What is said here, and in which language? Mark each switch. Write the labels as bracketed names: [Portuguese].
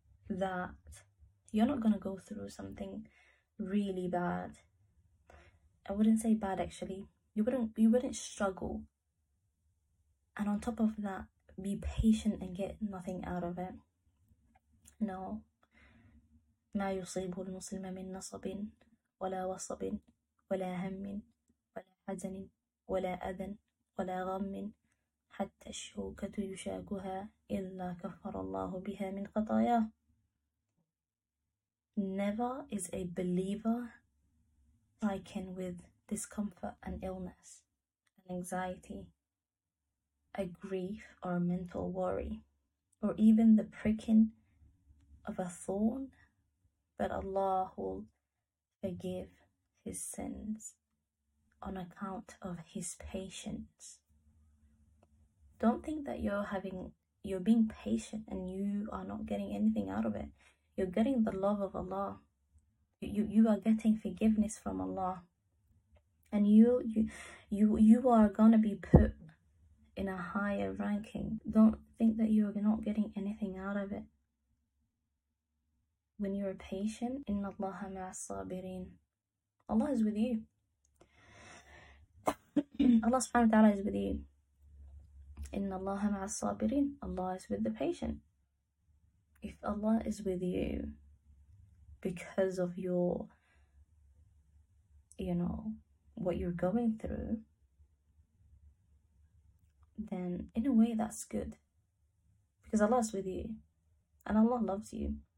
[English] That you're not going to go through something really bad. I wouldn't say bad actually. You wouldn't struggle. And on top of that, be patient and get nothing out of it. No. [Arabic] ما يصيب المسلم من نصب ولا وصب ولا هم ولا حزن ولا أذى ولا غم حتى الشوكة يشاكها إلا كفر الله بها من خطاياه. [English] Never is a believer taken with discomfort and illness, an anxiety, a grief or a mental worry, or even the pricking of a thorn, but Allah will forgive his sins on account of his patience. Don't think that you're being patient and you are not getting anything out of it. You're getting the love of Allah. You are getting forgiveness from Allah. And you are going to be put in a higher ranking. Don't think that you're not getting anything out of it. When you're patient, [Arabic] إن الله مع الصابرين. [English] Allah is with you. Allah subhanahu wa ta'ala is with you. [Arabic] إن الله مع الصابرين. [English] Allah is with the patient. If Allah is with you because of your, you know, what you're going through, then in a way that's good, because Allah is with you and Allah loves you.